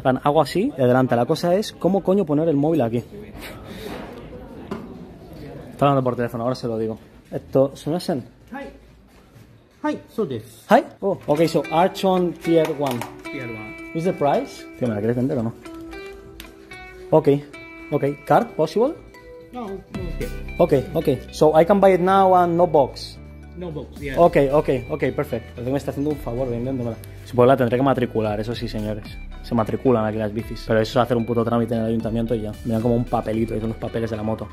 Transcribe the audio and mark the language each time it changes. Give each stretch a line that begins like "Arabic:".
Spanish: Plan, hago así y adelante. La cosa es, ¿cómo coño poner el móvil aquí? Está hablando por teléfono, ahora se lo digo. Esto, ¿sumasen?
English: Hi, so this. Hi? Oh, okay, so Archon Tier 1. Tier 1. Is the price?
Spanish: Tío, ¿me la quieres vender o no?
English: Okay, okay. Card possible? No, no, okay. Okay, okay. So I can buy it now and no box? No box, yes. Okay, okay, okay, perfect.
Spanish: Entonces me está haciendo un favor vendiéndomela. Supongo que la tendré que matricular, eso sí, señores. Se matriculan aquí las bicis. Pero eso es hacer un puto trámite en el ayuntamiento y ya. Me dan como un papelito, y son los papeles de la moto.